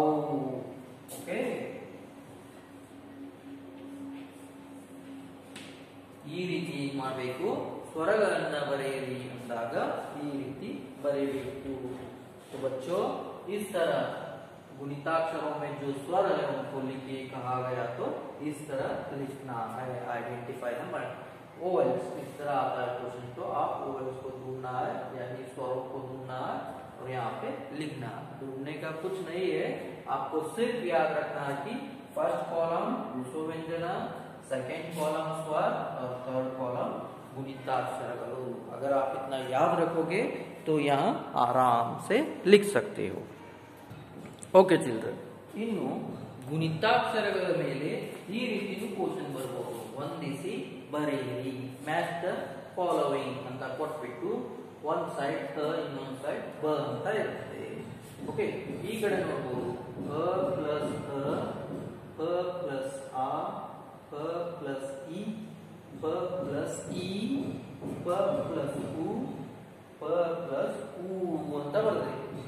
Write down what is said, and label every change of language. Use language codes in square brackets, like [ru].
[kn] Okay, ಈ ರೀತಿ ಮಾಡಬೇಕು, ಸ್ವರಗಳನ್ನ ಬರೆಯಿರಿ ಅಂದಾಗ ಈ ರೀತಿ ಬರೆಯಬೇಕು. [hi] ಸೊ ಬಚ್ಚೋ, ಇಸ್ ತರ गुणिताक्षरों में जो स्वर है उनको लिखिए, कहा गया तो इस तरह लिखना है, आइडेंटिफाई नंबर ओएल्स. इस तरह आता है क्वेश्चन, तो आप ओएल्स को ढूंढना है, यानी स्वरों को ढूंढना है और यहाँ पे लिखना है. ढूंढने का कुछ नहीं है, आपको सिर्फ याद रखना है कि फर्स्ट कॉलम दूसरो व्यंजना, सेकेंड कॉलम स्वर और थर्ड कॉलम गुणिताक्षर. अगर आप इतना याद रखोगे तो यहाँ आराम से लिख सकते हो. [kn] ಓಕೆ ಚಿಲ್ಡ್ರನ್, ಇನ್ನು ಗುಣಿತಾಕ್ಷರಗಳ ಮೇಲೆ ಈ ರೀತಿ ಕ್ವೆಶ್ಚನ್ ಬರಬಹುದು, ವಂದಿಸಿ ಬರೆಯಿರಿ, ಮ್ಯಾಚ್ ದ ಫಾಲೋವಿಂಗ್ ಅಂತ ಕೊಟ್ಬಿಟ್ಟು ಒನ್ ಸೈಡ್ ತ ಇನ್ನೊಂದು ಸೈಡ್ ಬ ಅಂತ ಇರುತ್ತೆ. ಓಕೆ, ಈ ಕಡೆ ನೋಡಬಹುದು, ಹ ಪ್ಲಸ್ ಹ, ಹ ಪ್ಲಸ್ ಆ, ಹ ಪ್ಲಸ್ ಇ, ಪ ಪ್ಲಸ್ ಇ, ಪ ಪ್ಲಸ್ ಉ, ಪ ಪ್ಲಸ್ ಉ ಅಂತ ಬರುತ್ತೆ.